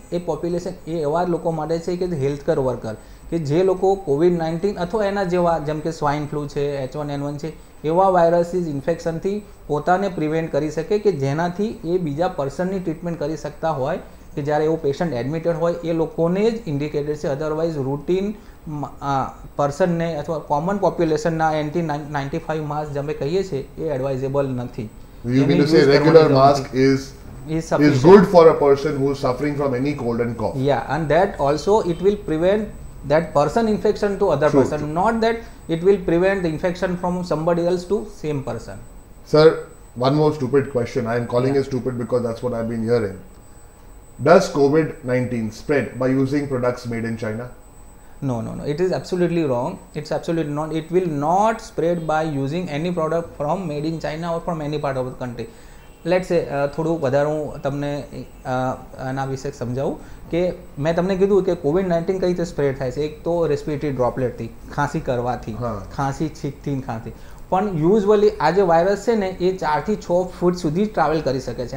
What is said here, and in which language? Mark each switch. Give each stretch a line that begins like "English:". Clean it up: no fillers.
Gujarati: એ population એ એવા લોકો માટે છે કે હેલ્થ કેર વર્કર કે જે લોકો COVID-19 અથવા એના જેવા જેમ કે સ્વાઇન ફ્લૂ છે, H1N1 છે, એવા વાયરસીસ ઇન્ફેક્શનથી પોતાને પ્રિવેન્ટ કરી શકે કે જેનાથી એ બીજા પર્સનની ટ્રીટમેન્ટ કરી શકતા હોય કે જ્યારે એવો પેશન્ટ એડમિટેડ હોય એ લોકોને જ ઇન્ડિકેટેડ છે. અધરવાઇઝ રૂટિન પર્સનને અથવા કોમન પોપ્યુલેશનના N95 માસ્ક જેમ કહીએ છીએ એ એડવાઇઝેબલ નથી.
English: You mean to say regular mask is good for a person who is suffering from any cold and cough? Yeah, and that also it will prevent that person infection to other person. True. Not that it will prevent the infection from somebody else to same person. Sir, one more stupid question. I am calling it stupid because that's what I've been hearing. Does COVID-19 spread by using products made in China? No. It is absolutely wrong. It's absolutely not. It will not spread by using any product from made in China or from any part of the country. Let's say,
Gujarati: થોડું વધારે હું તમને આના વિશે સમજાવું કે મેં તમને કીધું કે COVID-19 કઈ રીતે સ્પ્રેડ થાય છે. એક તો રેસ્પિરેટરી ડ્રોપલેટથી, ખાંસી કરવાથી, ખાંસી છીંકથી, ખાંસી. પણ યુઝવલી આ જે વાયરસ છે ને એ 4-6 ફૂટ સુધી ટ્રાવેલ કરી શકે છે.